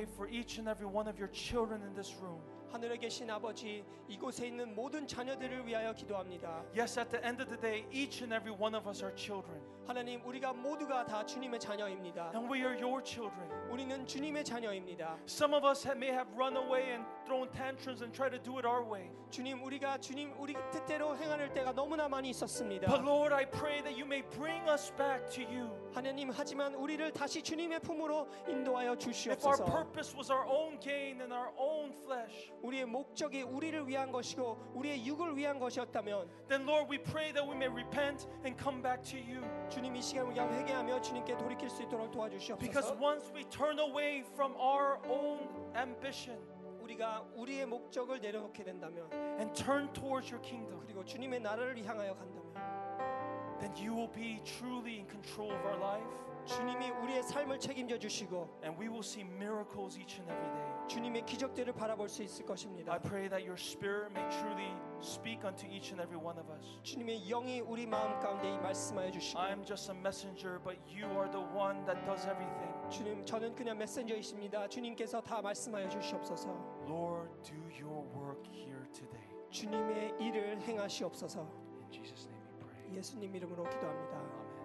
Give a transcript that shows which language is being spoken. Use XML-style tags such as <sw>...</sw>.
<en>Each and every one of your children in this room.</en> <ko>하늘에 계신 아버지, 이곳에 있는 모든 자녀들을 위하여 기도합니다.</ko> <en>Yes, at the end of the day, each and every one of us are children.</en> <ko>하나님, 우리가 모두가 다 주님의 자녀입니다.</ko> <en>And we are your children.</en> <ko>우리는 주님의 자녀입니다.</ko> <en>Some of us may have run away and thrown tantrums and tried to do it our way.</en> <ko>주님, 우리가 주님 우리 뜻대로 행할 때가 너무나 많이 있었습니다.</ko> <en>But Lord, I pray that you may bring us back to you.</en> <ko>하나님, 하지만 우리를 다시 주님의 품으로 인도하여 주시옵소서.</ko> <en>If our purpose was our own gain and our own flesh.</en> <ko>우리의 목적이 우리를 위한 것이고 우리의 육을 위한 것이었다면</ko> <en>Then Lord, we pray that we may repent and come back to you.</en> <ko>주님 이 시간 우리가 회개하며 주님께 돌이킬 수 있도록 도와주시옵소서.</ko> <en>Because once we turn away from our own ambition,</en> <ko>우리가 우리의 목적을 내려놓게 된다면</ko> <en>and turn towards your kingdom,</en> <ko>그리고 주님의 나라를 향하여 간다면</ko> <en>then you will be truly in control of our life.</en> <ko>주님이 우리의 삶을 책임져 주시고</ko> <en>and we will see miracles each and every day.</en> <ko>주님의 기적들을 바라볼 수 있을 것입니다.</ko> <en>I pray that your spirit may truly speak unto each and every one of us.</en> <ko>주님의 영이 우리 마음 가운데 말씀하여 주시고</ko> <en>I am just a messenger but you are the one that does everything.</en> <ko>주님 저는 그냥 메신저이십니다. 주님께서 다 말씀하여 주시옵소서.</ko> <en>Lord, do your work here today.</en> <ko>주님의 일을 행하시옵소서.</ko> <en>In Jesus name we pray.</en> <ko>예수님 이름으로 기도합니다.</ko>